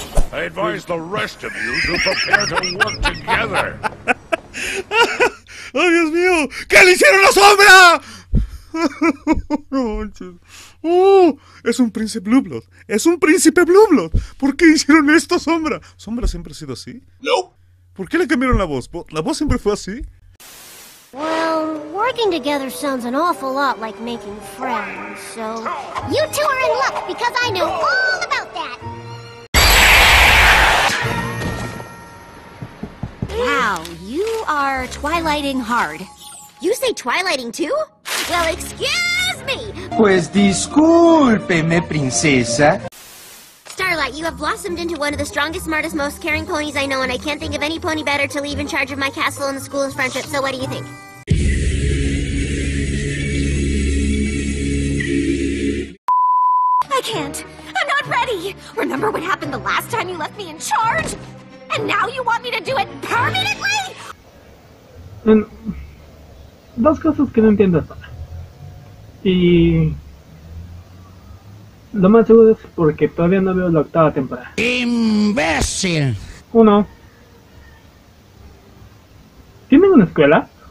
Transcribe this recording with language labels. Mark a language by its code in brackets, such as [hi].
[en] I advise the rest of you to prepare to work together. [es] Oh, Dios mío, ¿qué le hicieron la sombra? Oh, es un príncipe Blueblood. Es un príncipe Blueblood. ¿Por qué hicieron esto, sombra? ¿Sombra siempre ha sido así? No. ¿Por qué le cambiaron la voz? ¿La voz siempre fue así? [en] Well, working together sounds an awful lot like making friends, so... You two are in luck, because I know all about that! Wow, you are twilighting hard. You say twilighting too? Well, excuse me! [es] Pues discúlpeme, princesa. [en] Starlight, you have blossomed into one of the strongest, smartest, most caring ponies I know, and I can't think of any pony better to leave in charge of my castle and the school of friendship, so what do you think? I can't. I'm not ready. Remember what happened the last time you left me in charge? And now you want me to do it permanently? [es] Dos cosas que no entiendo hasta. Y lo más seguro es porque todavía no veo la octava temporada. ¡Imbécil! Uno. ¿Tienen una escuela?